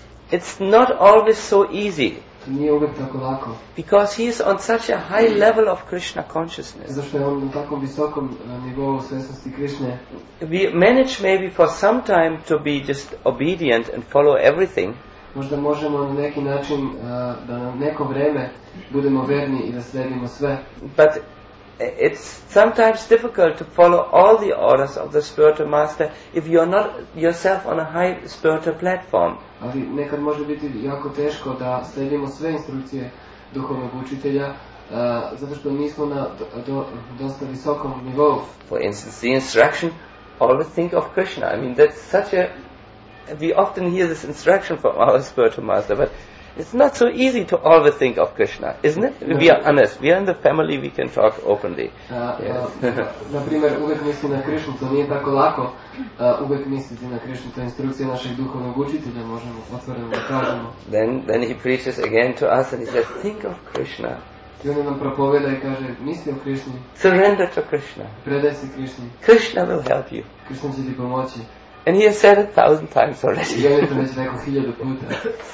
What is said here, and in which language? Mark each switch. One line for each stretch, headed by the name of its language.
English: It's not always so easy.
Serbian: To nije uvijek tako lako.
English: Because he is on such a high level of Krishna consciousness.
Serbian: Zato što je on na takvom visokom nivou svjesnosti Krishne.
English: We manage maybe for some time to be just obedient and follow everything.
Serbian: možda možemo na neki način da na neko vreme budemo verni i da sledimo sve.
English: But it's sometimes difficult to follow all the orders of the spiritual master if you're not yourself on a high spiritual platform.
Serbian: Ali nekad može biti jako teško da sledimo sve instrukcije duhovnog učitelja zato što nismo na dosta visokom nivou.
English: For instance, the instruction, always think of Krishna. I mean, that's such a... We often hear this instruction from our spiritual master, but it's not so easy to always think of Krishna, isn't it? We are honest. We are in the family, we can talk openly.
Serbian: Naprimer, uvek misli na Krishnu, to nije tako lako. Uvek misliti na Krishnu, to je instrukcija našeg duhovnog učitelja, možemo otvoreno da kažemo.
English: Then he preaches again to us and he says, think of Krishna.
Serbian: I on nam propoveda i kaže, misli o Krishni.
English: Surrender to Krishna.
Serbian: Predaj se Krishni.
English: Krishna will help you.
Serbian: Krishna će ti pomoći.
English: And he has said it 1,000 times already.